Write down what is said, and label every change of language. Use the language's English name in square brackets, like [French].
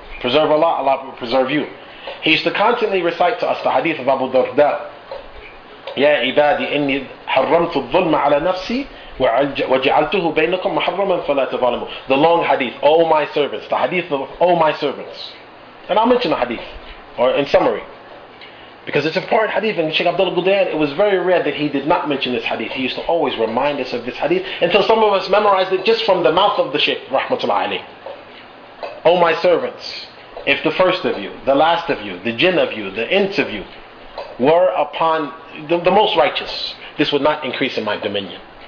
[English] Preserve Allah, Allah will preserve you. He used to constantly recite to us the hadith of Abu Darda. [Arabic] يا عبادي إني حرمت الظلم على نفسي وجعلته بينكم محرما فلا تظلموا. [English] The long hadith, oh my servants, the hadith of oh my servants. And I'll mention the hadith, or in summary. Because it's a part hadith, and Sheikh Abdullah Gudayan, it was very rare that he did not mention this hadith. He used to always remind us of this hadith, until some of us memorized it just from the mouth of the Sheikh, rahmatullahi alayhi. Oh my servants, if the first of you, the last of you, the jinn of you, the ints of you, were upon the most righteous, this would not increase in my dominion.